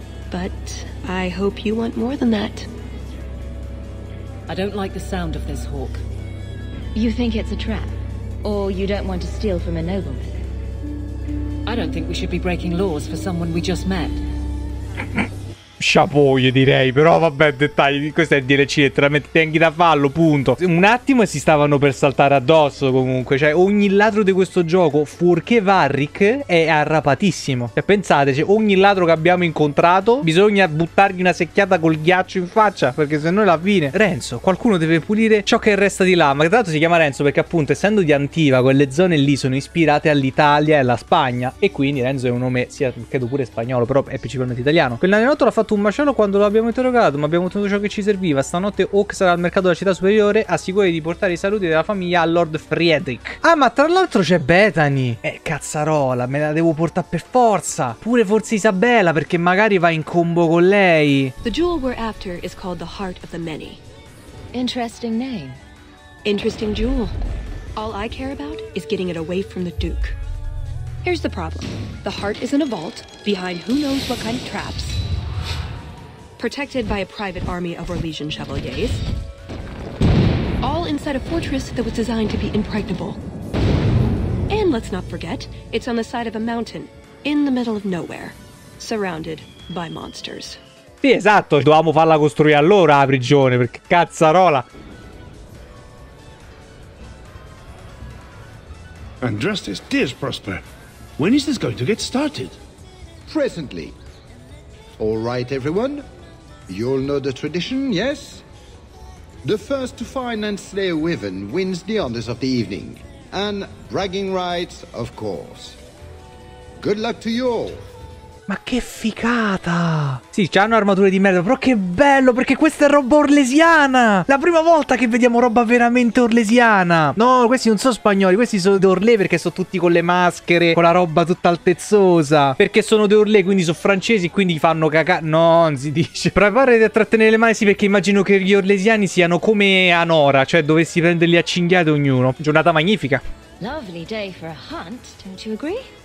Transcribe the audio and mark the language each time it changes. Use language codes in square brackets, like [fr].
[en] But I hope you want more than that. I don't like the sound of this, Hawk. You think it's a trap? Or you don't want to steal from a nobleman? I don't think we should be breaking laws for someone we just met. [it] Chapeau, io direi, però vabbè, dettagli, questo è il DLC, letteralmente tenghi da fallo, punto. Un attimo e si stavano per saltare addosso comunque, cioè ogni ladro di questo gioco, fuorché Varric, è arrapatissimo. Cioè pensate, cioè, ogni ladro che abbiamo incontrato, bisogna buttargli una secchiata col ghiaccio in faccia, perché sennò è la fine. Renzo, qualcuno deve pulire ciò che resta di là, ma tra l'altro si chiama Renzo perché appunto, essendo di Antiva, quelle zone lì sono ispirate all'Italia e alla Spagna, e quindi Renzo è un nome, sia credo pure spagnolo, però è principalmente italiano. Quel nano l'ha fatto un macello quando lo abbiamo interrogato, ma abbiamo ottenuto ciò che ci serviva. Stanotte Hawk sarà al mercato della città superiore, assicurati di portare i saluti della famiglia a Lord Friedrich. Ah, ma tra l'altro c'è Bethany. Cazzarola, me la devo portare per forza. Pure forse Isabella, perché magari va in combo con lei. [en] The jewel we're after is called the Heart of the Many. Interesting name. Interesting jewel. All I care about is getting it away from the Duke. Here's the problem. The heart is in a vault behind who knows what kind of traps. Protected by a private army of Orlesian chevaliers. All inside a fortress that was designed to be impregnable. And let's not forget, it's on the side of a mountain, in the middle of nowhere, surrounded by monsters. [it] Sì, esatto, dovevamo farla costruire allora la prigione, perché cazzarola! [en] Andrastis, dear Prosper, when is this going to get started? Presently. All right, everyone. You'll know the tradition, yes? The first to find and slay a wyvern wins the honors of the evening. And bragging rights, of course. Good luck to you all. [it] Ma che figata! Sì, c'hanno armature di merda, però che bello, perché questa è roba orlesiana! La prima volta che vediamo roba veramente orlesiana! No, questi non sono spagnoli, questi sono di Orlé, perché sono tutti con le maschere, con la roba tutta altezzosa. Perché sono di Orlé, quindi sono francesi, quindi fanno cagare. No, non si dice. Preparati a trattenere le mani, sì, perché immagino che gli orlesiani siano come Anora, cioè dovessi prenderli a cinghiate ognuno. Giornata magnifica. [en] Lovely day for a hunt, don't you agree?